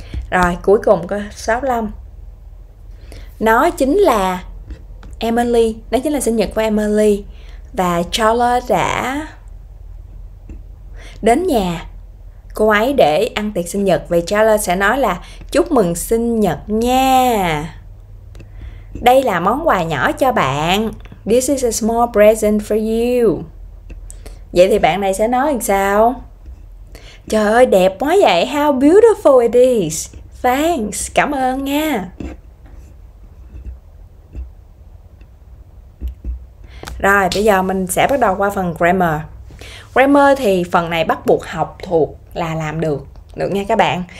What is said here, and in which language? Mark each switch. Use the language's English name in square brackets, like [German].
[Vietnamese] Rồi, cuối cùng có 65. Nó chính là Emily, nó chính là sinh nhật của Emily. Và Charlotte đã đến nhà cô ấy để ăn tiệc sinh nhật. Vậy Charlotte sẽ nói là chúc mừng sinh nhật nha, đây là món quà nhỏ cho bạn. [English] This is a small present for you. [Vietnamese] Vậy thì bạn này sẽ nói làm sao? Trời ơi đẹp quá vậy. [English] How beautiful it is. Thanks. [Vietnamese] Cảm ơn nha. Rồi, bây giờ mình sẽ bắt đầu qua phần grammar. Grammar thì phần này bắt buộc học thuộc là làm được, được nha các bạn.